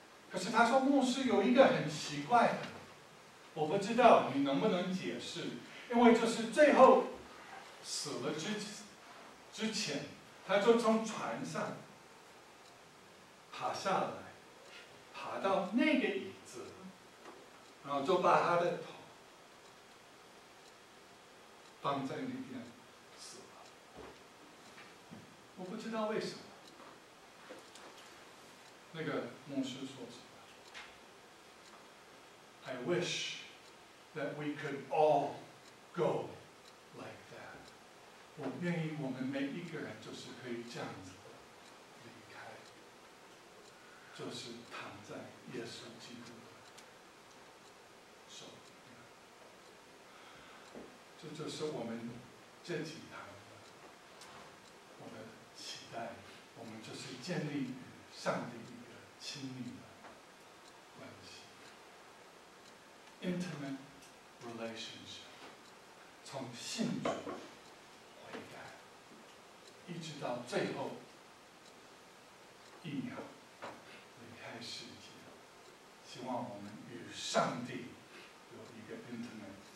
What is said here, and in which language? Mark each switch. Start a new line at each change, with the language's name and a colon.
Chinese: 可是他说，牧师有一个很奇怪的，我不知道你能不能解释，因为就是最后死了之前，他就从船上爬下来，爬到那个椅子，然后就把他的头放在那边死了，我不知道为什么。那个牧师说什么
English: ？I wish that we could all go like that。
Chinese: 我愿意我们每一个人就是可以这样子离开，就是躺在耶稣基督的手。这就是我们这几堂的我的期待，我们就是建立上帝一个亲密的关系 ，
English: intimate relationship，
Chinese: 从信主悔改，一直到最后一秒离开世界，希望我们与上帝有一个 intimate。